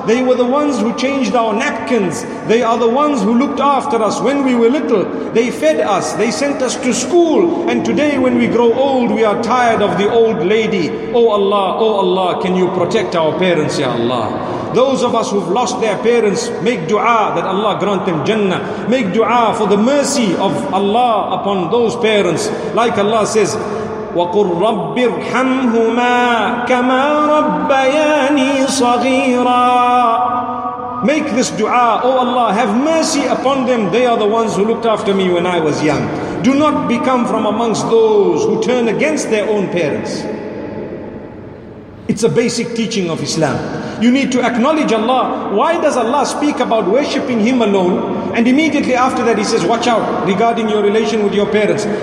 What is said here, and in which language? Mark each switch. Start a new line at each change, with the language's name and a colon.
English: They were the ones who changed our napkins. They are the ones who looked after us when we were little. They fed us. They sent us to school. And today when we grow old, we are tired of the old lady. Oh Allah, can you protect our parents, Ya Allah? Those of us who've lost their parents, make dua that Allah grant them Jannah. Make dua for the mercy of Allah upon those parents. Like Allah says,
Arabic: وَقُلْ رَبِّ ارْحَمْهُمَا كَمَا رَبَّيَانِي صَغِيرًا.
English: Make this dua. Oh Allah, have mercy upon them. They are the ones who looked after me when I was young. Do not become from amongst those who turn against their own parents. It's a basic teaching of Islam. You need to acknowledge Allah. Why does Allah speak about worshipping Him alone? And immediately after that, He says, watch out regarding your relation with your parents.